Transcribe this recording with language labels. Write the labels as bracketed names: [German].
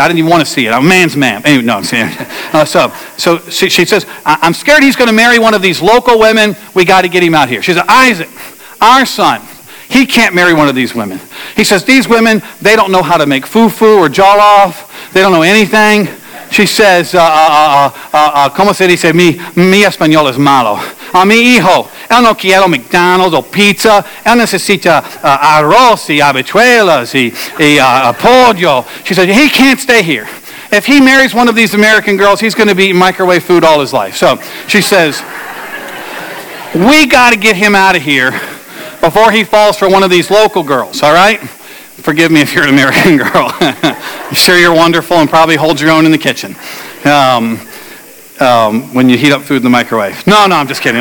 [English] I didn't even want to see it. I'm a man's man. Anyway, no, I'm saying. So she says, I'm scared he's going to marry one of these local women. We got to get him out here. She says, Isaac, our son, he can't marry one of these women. He says, these women, they don't know how to make fufu or jollof. They don't know anything. She says, [Spanish] ¿cómo se dice? Mi español es malo. Mi hijo, él no quiere McDonald's o pizza. Él necesita arroz y habichuelas y pollo. [English] She says, he can't stay here. If he marries one of these American girls, he's going to be eating microwave food all his life. So she says, we got to get him out of here before he falls for one of these local girls, all right? Forgive me if you're an American girl. I'm sure you're wonderful and probably hold your own in the kitchen when you heat up food in the microwave. No, I'm just kidding.